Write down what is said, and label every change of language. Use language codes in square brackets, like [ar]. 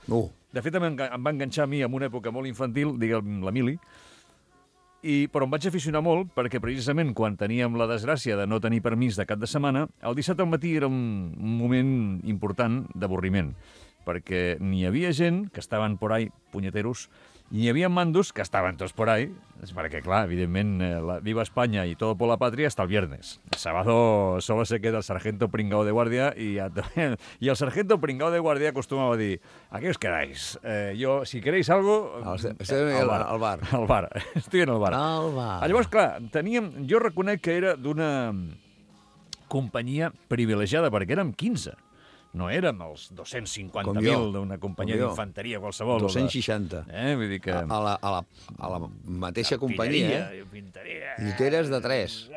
[ca] De fet, em va enganxar a mi en una època molt infantil, diguem l'Emili, però em vaig aficionar molt perquè precisament quan teníem la desgràcia de no tenir permís de cap de setmana, el dissabte al matí era un moment important d'avorriment, perquè n'hi havia gent que estaven [es] por ahí, [ca] punyeteros, i hi havia mandos que estaven tots por ahí, perquè, clar, evidentment, [es] Viva España y Todo por la Patria hasta el viernes. El sábado solo se queda el sargento pringao de guardia y el sargento pringao de guardia [ca] acostumava a dir: [es] ¿a qué os quedáis? Yo, si queréis algo... Al bar. Estoy en el bar. Al bar. [ca] Llavors, clar, jo reconec que era d'una companyia privilegiada, perquè érem 15. No érem els 250.000 d'una companyia d'infanteria qualsevol. 260. Vull dir que... A la mateixa companyia. Lluteres de 3.